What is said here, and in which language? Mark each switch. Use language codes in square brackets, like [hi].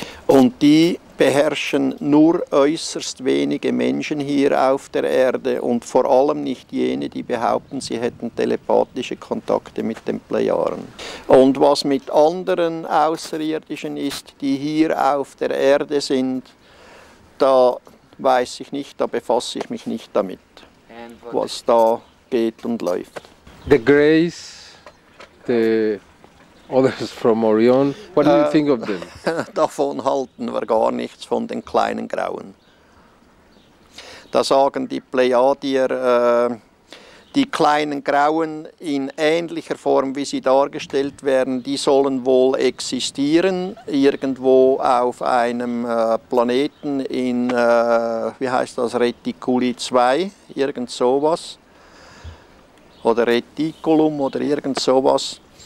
[de] Und die beherrschen nur äußerst wenige Menschen hier auf der Erde und vor allem nicht jene, die behaupten, sie hätten telepathische Kontakte mit den Plejaren. Und was mit anderen Außerirdischen ist, die hier auf der Erde sind, da weiß ich nicht, da befasse ich mich nicht damit, was da geht und läuft. [en] The Grays, the others from Orion, what do you think of them? [de] Davon halten wir gar nichts, von den kleinen Grauen. Da sagen die Plejadier, die kleinen Grauen in ähnlicher Form, wie sie dargestellt werden, die sollen wohl existieren, irgendwo auf einem Planeten in, wie heißt das, Reticuli 2, irgend sowas, oder Reticulum oder irgend sowas.